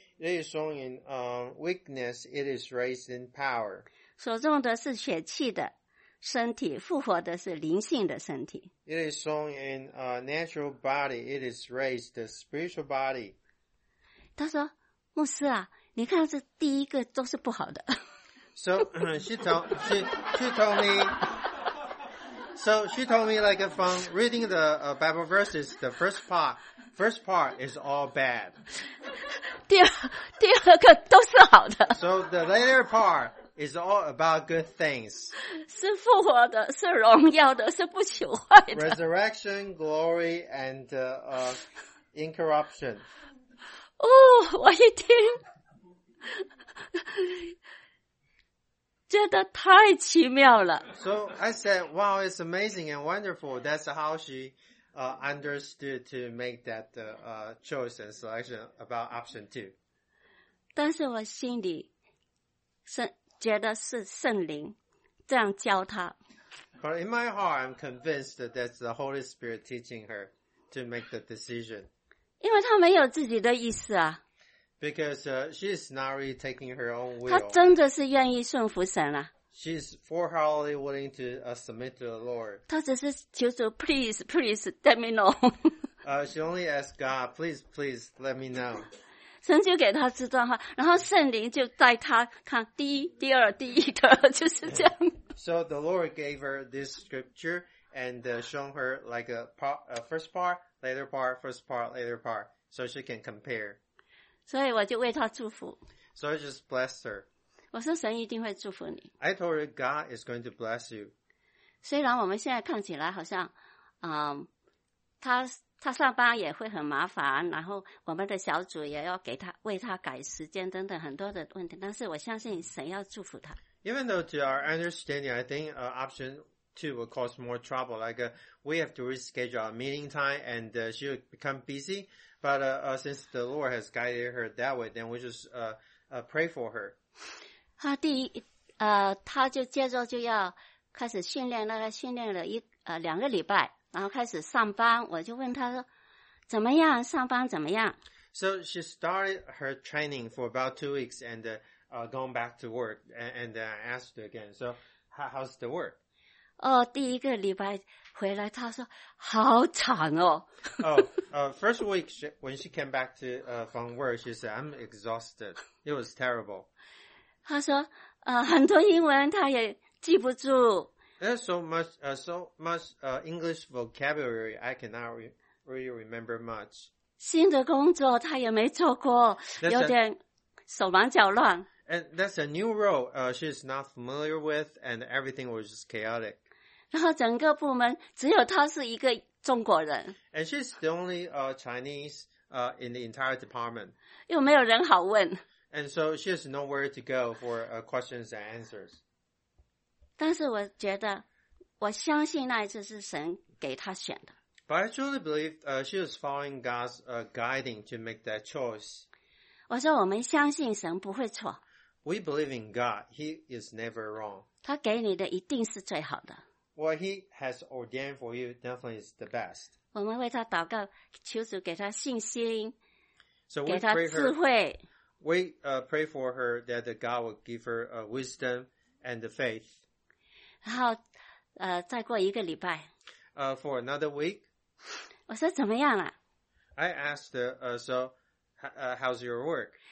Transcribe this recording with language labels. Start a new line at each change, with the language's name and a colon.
English: It is sown in weakness. It is raised in power.
Chinese: 所种的是血气的身体，复活的是灵性的身体。
English: It is sown in a natural body. It is raised the spiritual body.
Chinese: 他说，牧师啊，你看这第一个都是不好的。
English: So she told me, like from reading the Bible verses, the first part is all bad.
Chinese: 第二个都是好的。
English: So the later part is all about good things.
Chinese: 是复活的，是荣耀的，是不朽坏的。
English: Resurrection, glory, and incorruption.
Chinese: 哦，我一听，觉得太奇妙了。
English: So I said, wow, it's amazing and wonderful. That's how she understood to make that choice and selection about option two.
Chinese: 但是我心里觉得是圣灵这样教她。
English: But in my heart, I'm convinced that that's the Holy Spirit teaching her to make the decision.
Chinese: 因为她没有自己的意思啊。
English: Because she is not really taking her own will.
Chinese: 她真的是愿意顺服神了。
English: She's wholeheartedly willing to submit to the Lord.
Chinese: 她只是求主
English: please, please, let me know. she only asked God, please, please, let me know.
Chinese: 神就给她知道，然后圣灵就带她看第一、第二、第一的，就是这样。
English: So the Lord gave her this scripture and shown her like a first part, later part, first part, later part, so she can compare.
Chinese: 所以我就为他祝福。
English: So I just blessed her.
Chinese: 我说神一定会祝福你。
English: I told her God is going to bless you.
Chinese: 虽然我们现在看起来好像，他上班也会很麻烦，然后我们的小组也要给他为他改时间等等很多的问题，但是我相信神要祝福他。
English: Even though to our understanding, I think option two will cause more trouble. Like we have to reschedule our meeting time, and she will become busy. But since the Lord has guided her that way, then we just pray for her.
Chinese: 他就接着就要开始训练，那个训练了两个礼拜，然后开始上班。我就问他说怎么样，上班怎么样。
English: So she started her training for about 2 weeks and going back to work and I asked her again, so how's the work?
Chinese: 哦，第一个礼拜回来他说好惨哦。
English: first week when she came back to from work, she said, I'm exhausted. It was terrible.
Chinese: 他说很多英文他也记不住。
English: There's so much English vocabulary, I cannot really remember much.
Chinese: 新的工作他也没做过，有点手忙脚乱。
English: And that's a new role she's not familiar with, and everything was just chaotic.
Chinese: 然后整个部门只有他是一个中国人。
English: And she's the only Chinese in the entire department.
Chinese: 又没有人好问。
English: And so she has nowhere to go for questions and answers.
Chinese: 但是我觉得我相信那一次是神给他选的。
English: But I truly believe she was following God's guiding to make that choice.
Chinese: 我说我们相信神不会错。
English: We believe in God. He is never wrong.
Chinese: 他给你的一定是最好的。
English: What he has ordained for you definitely is the best.
Chinese: 我们为他祷告，求主给他信心，
English: so
Chinese: 给他智慧。
English: We pray for her that God will give her wisdom and the faith.
Chinese: 然后再过一个礼拜。
English: For another week.
Chinese: 我说怎么样了？
English: I asked her, how's your work?